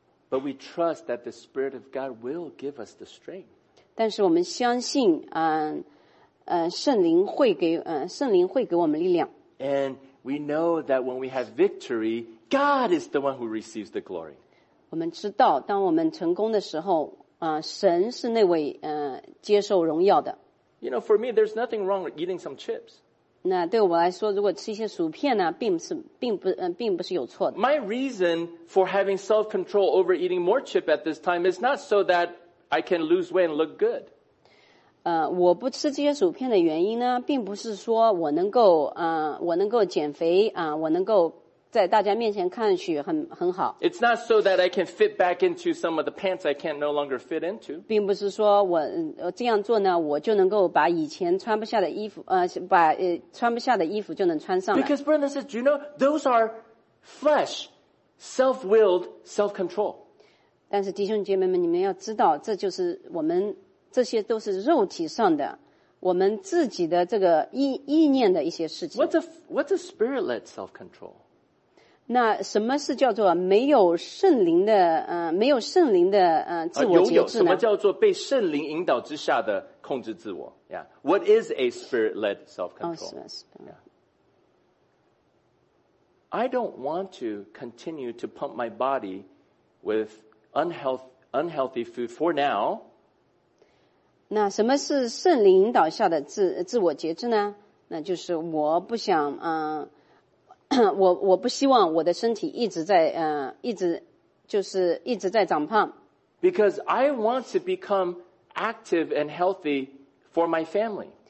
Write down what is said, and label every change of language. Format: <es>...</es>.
<en>But we trust that the Spirit of God will give us the strength.</en> <zh>但是我们相信，圣灵会给我们力量。</zh> <en>And we know that when we have victory, God is the one who receives the glory.</en> <zh>我们知道，当我们成功的时候，神是那位接受荣耀的。</zh> <en>You know, for me, there's nothing wrong with eating some chips.</en> <zh>那对我来说，如果吃一些薯片呢，并不是有错的。</zh> <en>My reason for having self-control over eating more chip at this time is not so that I can lose weight and look good.</en> <zh>我不吃这些薯片的原因呢，并不是说我能够减肥我能够在大家面前看去很好。</zh> <en>It's not so that I can fit back into some of the pants I can't no longer fit into.</en> <zh>并不是说我这样做呢，我就能够把以前穿不下的衣服穿不下的衣服就能穿上了。</zh> <en>Because brothers and sisters, you know, those are flesh, self-willed, self-control.</en> <zh>但是弟兄姐妹们，你们要知道，这就是我们这些都是肉体上的，我们自己的这个意念的一些事情。</zh> <en>What's a spirit-led self-control?</en> <zh>那什么是叫做没有圣灵的没有圣灵的自我节制呢？什么叫做被圣灵引导之下的控制自我？</zh> <en>Yeah. What is a spirit-led self-control? I don't want to continue to pump my body with unhealthy food for now.</en> <zh>那什么是圣灵引导下的自我节制呢？那就是我不想我不希望我的身体一直在一直在长胖。</zh> <en>Because I want to become active and healthy for my family.</en>